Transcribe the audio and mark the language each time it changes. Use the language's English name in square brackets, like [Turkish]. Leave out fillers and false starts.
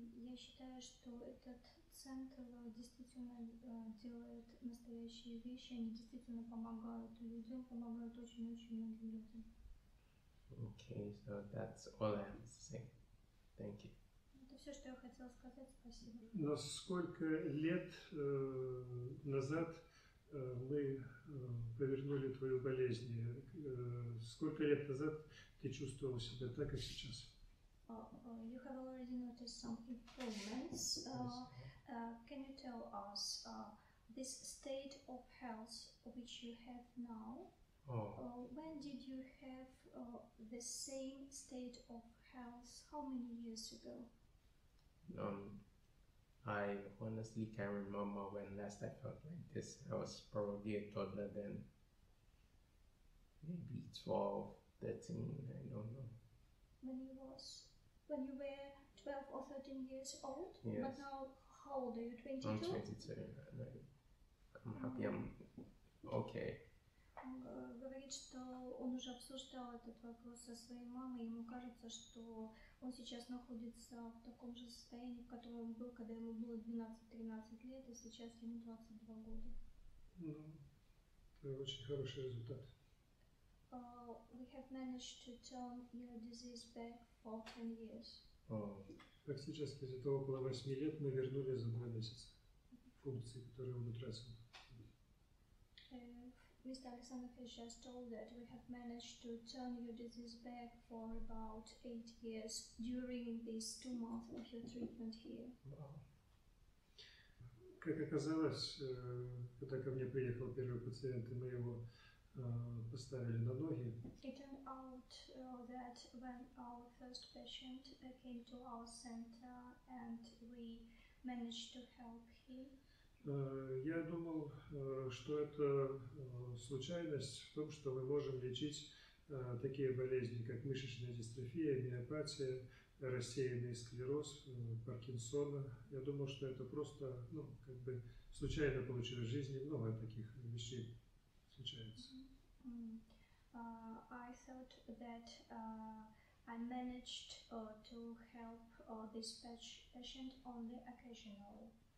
[Russian] Я считаю, что этот центр действительно делает настоящие вещи, они действительно помогают людям, помогают очень-очень многим людям. [English] Okay, so that's all I have to say. Thank you. [Russian] Это все, что я хотела сказать. Спасибо. Насколько лет назад мы повернули твою болезнь? Сколько лет назад ты чувствовал себя так, как сейчас? [English] You have already noticed some improvements. Can you tell us this state of health which you have now? When did you have the same state of health? How many years ago? I honestly can't remember when last I felt like this. I was probably a toddler then. Maybe 12, 13, I don't know. When you were 12 or 13 years old, but Yes. now how old are you? I'm 22? 22 and I'm happy I'm okay. [Russian] Говорит, что он уже обсуждал этот вопрос со своей мамой, ему кажется, что он сейчас находится в таком же состоянии, в котором он был, когда ему было 12-13 лет, и сейчас ему 22 года. Ну, это очень хороший результат. [English] We have managed to turn your disease back for 10 years. [Russian] Практически за то около 8 лет мы вернули за 2 месяца функции, которые он утратил. [English] Mr. Alexander Fish has told that we have managed to turn your disease back for about 8 years during these 2 months of your treatment here. [Russian] Как оказалось, когда ко мне приехал первый пациент, и мы его поставили на ноги. [English] It turned out that when our first patient came to our center and we managed to help him. [Russian] Я думал, что это случайность в том, что мы можем лечить такие болезни, как мышечная дистрофия, миопатия, рассеянный склероз, Паркинсона. Я думал, что это просто, ну, как бы случайно получилось в жизни. Много таких вещей случается. [English] I thought that I managed to help this patient only occasionally.